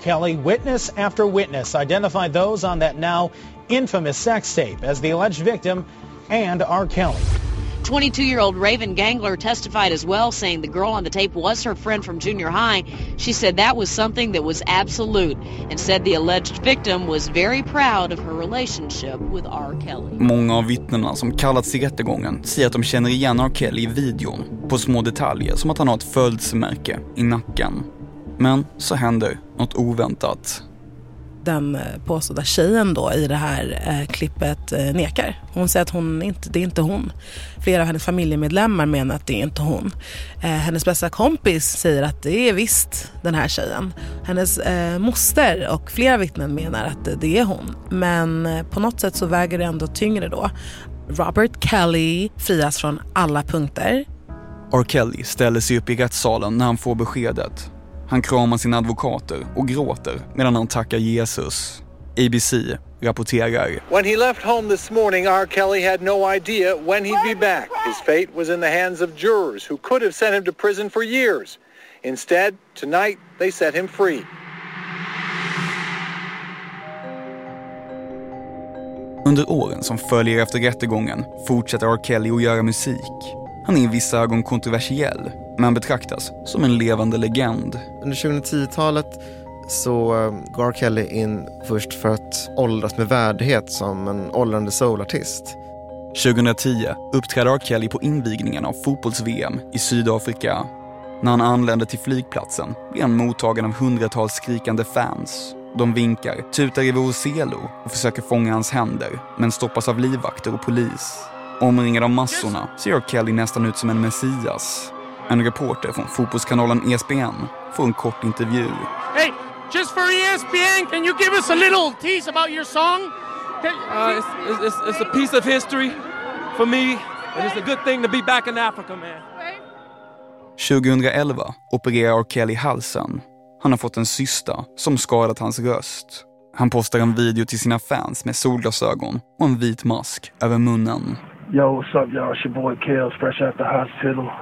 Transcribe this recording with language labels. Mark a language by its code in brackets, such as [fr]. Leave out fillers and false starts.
[en] Kelly, witness after witness identified those on that now infamous sex tape as the alleged victim and R. Kelly. 22-year-old Raven Gangler testified as well, saying the girl on the tape was her friend from junior high. She said that was something that was absolute and said the alleged victim was very proud of her relationship with R. Kelly. [sv] Många av vittnena som kallats i rättegången säger att de känner igen R. Kelly i videon på små detaljer, som att han har ett följdsmärke i nacken. Men så händer något oväntat. Den påstådda tjejen då i det här klippet nekar. Hon säger att det är inte hon. Flera av hennes familjemedlemmar menar att det är inte hon. Hennes bästa kompis säger att det är visst den här tjejen. Hennes moster och flera vittnen menar att det är hon. Men på något sätt så väger det ändå tyngre då. Robert Kelly frias från alla punkter. R. Kelly ställer sig upp i rättssalen när han får beskedet. Han kramar sina advokater och gråter medan han tackar Jesus. ABC rapporterar. [en] When he left home this morning, R. Kelly had no idea when he'd be back. His fate was in the hands of jurors who could have sent him to prison for years. Instead, tonight they set him free. [sv] Under åren som följer efter rättegången fortsätter R. Kelly att göra musik. Han är i vissa ögon kontroversiell, men betraktas som en levande legend. Under 2010-talet så går R. Kelly in först för att åldras med värdighet som en åldrande soulartist. 2010 uppträder R. Kelly på invigningen av fotbolls-VM i Sydafrika. När han anländer till flygplatsen blir han mottagen av hundratals skrikande fans. De vinkar, tutar i Voselo och försöker fånga hans händer, men stoppas av livvakter och polis. Omringad av massorna ser R. Kelly nästan ut som en messias. En reporter från fotbollskanalen ESPN får en kort intervju. [en] Hey, just for ESPN, can you give us a little tease about your song? It's a piece of history for me, and it's a good thing to be back in Africa, man. [sv] 2011 opererar R. Kelly halsen. Han har fått en cysta som skadat hans röst. Han postar en video till sina fans med solglasögon och en vit mask över munnen. [en] Yo, what's up, y'all? It's your boy Kels, fresh out the hospital.